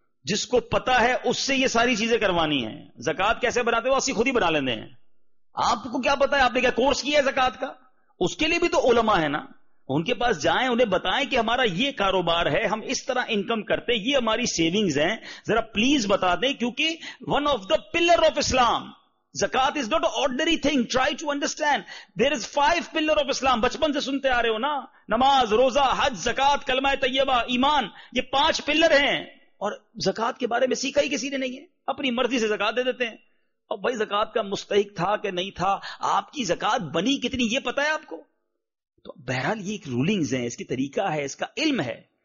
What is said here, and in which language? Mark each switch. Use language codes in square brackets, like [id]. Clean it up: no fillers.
[ur] جس کو پتا ہے اس سے یہ ساری چیزیں کروانی ہیں. زکات کیسے بناتے ہیں؟ اسی خود ہی بنا لیتے ہیں. آپ کو کیا پتا ہے, آپ نے کیا کورس کیا ہے زکات کا؟ اس کے لیے بھی تو علماء ہے نا, ان کے پاس جائیں, انہیں بتائیں کہ ہمارا یہ کاروبار ہے, ہم اس طرح انکم کرتے, یہ ہماری سیونگز ہیں, ذرا پلیز بتا دیں. [en] کیونکہ one of the pillar of Islam, زکات is not ordinary thing, try to understand, there is five pillar of Islam. [ur] بچپن سے سنتے آ رہے ہو نا, نماز, روزہ, حج, زکات, کلمہ طیبہ, ایمان, یہ پانچ پلر ہیں. اور زکات کے بارے میں سیکھا ہی کسی نے نہیں ہے, اپنی مرضی سے زکات دے دیتے ہیں. اور بھائی زکات کا مستحق تھا کہ نہیں تھا, آپ کی زکات بنی کتنی, یہ پتا ہے آپ کو؟ تو بہرحال یہ ایک رولنگز ہیں, اس کی طریقہ ہے, اس کا علم ہے.